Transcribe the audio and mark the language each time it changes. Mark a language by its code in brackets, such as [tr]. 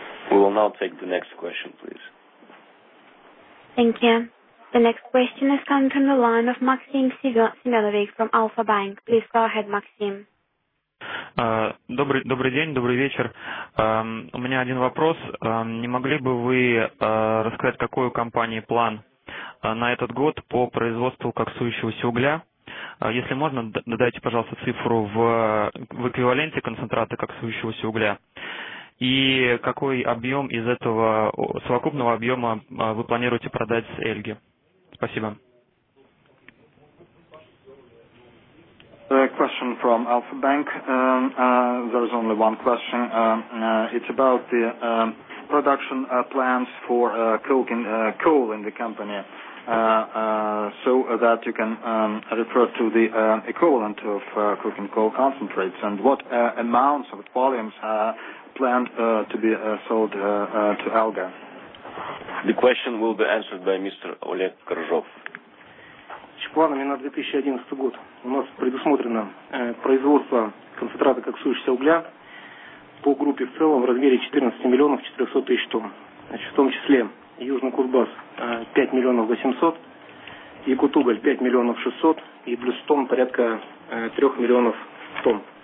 [en] We will now take the next question, please. Thank you. The next question is coming from the line of Maxim Semenovic from Alpha Bank. Please go ahead, Maxim. [ru] Добрый день, добрый вечер. У меня один вопрос. Не могли бы вы рассказать, какой у компании план на этот год по производству коксующегося угля? Если можно, дайте, пожалуйста, цифру в эквиваленте концентрата коксующегося угля. И какой объем из этого совокупного объема вы планируете продать с Эльги? Спасибо. [en] A question from Alpha Bank. There is only one question. It's about the production plans for coke and coal in the company, so that you can refer to the equivalent of coke and coal concentrates, and what amounts of volumes are planned to be sold to Elga. The question will be answered by Mr. Oleg Koryzhov. [ru] Планами на 2011 год у нас предусмотрено производство концентрата коксующегося угля по группе в целом в размере 14 миллионов 400 тысяч тонн. Значит, в том числе Южный Кузбасс 5 миллионов 800, Якутуголь 5 миллионов 600 и Блюстон порядка 3 миллионов тонн.